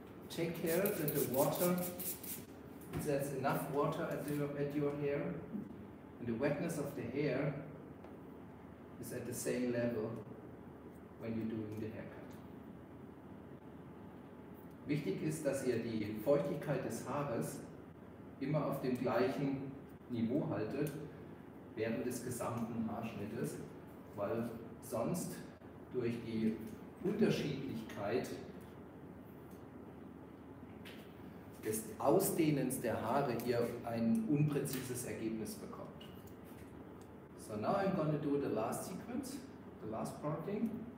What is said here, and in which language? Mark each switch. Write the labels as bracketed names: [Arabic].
[English] take care that the water, there's enough water at your hair, and the wetness of the hair is at the same level when you're doing the haircut. [German] Wichtig ist, dass ihr die Feuchtigkeit des Haares immer auf dem gleichen Niveau haltet während des gesamten Haarschnittes, weil sonst durch die Unterschiedlichkeit des Ausdehnens der Haare ihr ein unpräzises Ergebnis bekommt. [English] So now I'm gonna do the last sequence, the last parting.